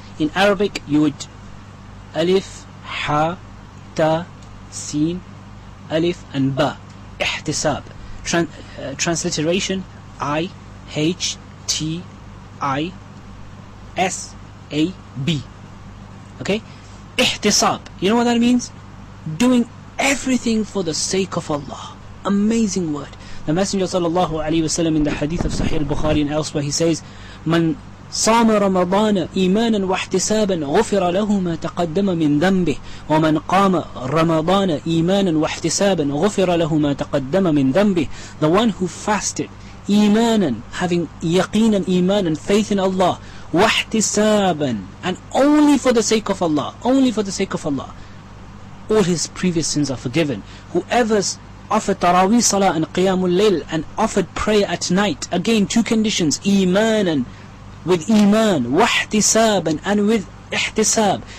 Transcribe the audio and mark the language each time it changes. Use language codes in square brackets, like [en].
[en] In Arabic, you would alif, ha, ta, sin, alif, and ba. Ihtisab. Transliteration, I, H, T, I, S, A, B. Okay? Ihtisab. You know what that means? Doing everything for the sake of Allah. Amazing word. The Messenger sallallahu alayhi wa sallam in the hadith of Sahih al-Bukhari and elsewhere, he says, [ar] "Man صام رمضان إيمانا واحتسابا غفر له ما تقدم من ذنبه ومن قام رمضان إيمانا واحتسابا غفر له ما تقدم من ذنبه." [en] The one who fasted إيمانا, having يقينا إيمانا, faith in Allah, واحتسابا, and only for the sake of Allah, only for the sake of Allah, all his previous sins are forgiven. Whoever's offered Taraweeh Salah and Qiyamul Layl and offered prayer at night, again two conditions, إيمانا, with iman, wahtisaban, and with ihtisab.